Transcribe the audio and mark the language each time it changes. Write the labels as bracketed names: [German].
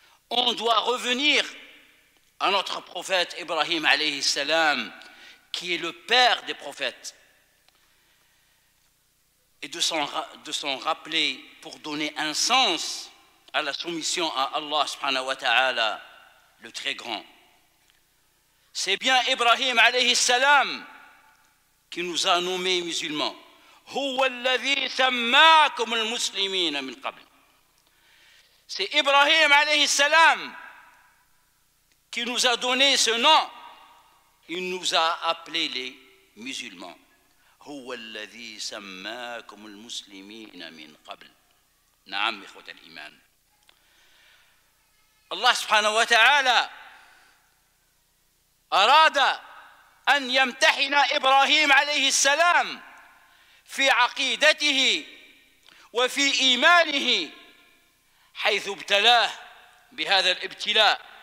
[French] on doit revenir à notre prophète Ibrahim alayhi salam, qui est le père des prophètes, et de s'en rappeler pour donner un sens à la soumission à Allah subhanahu wa ta'ala, le très grand. C'est bien Ibrahim alayhi salam qui nous a nommés musulmans. [Arabic] هو الذي سماكم المسلمين من قبل. [French] C'est Ibrahim alayhi salam qui nous a donné ce nom. Il nous a appelés les musulmans. [Arabic] هو الذي سماكم المسلمين من قبل. نعم إخوة الإيمان. الله سبحانه وتعالى أراد أن يمتحن إبراهيم عليه السلام في عقيدته وفي إيمانه حيث ابتلاه بهذا الابتلاء.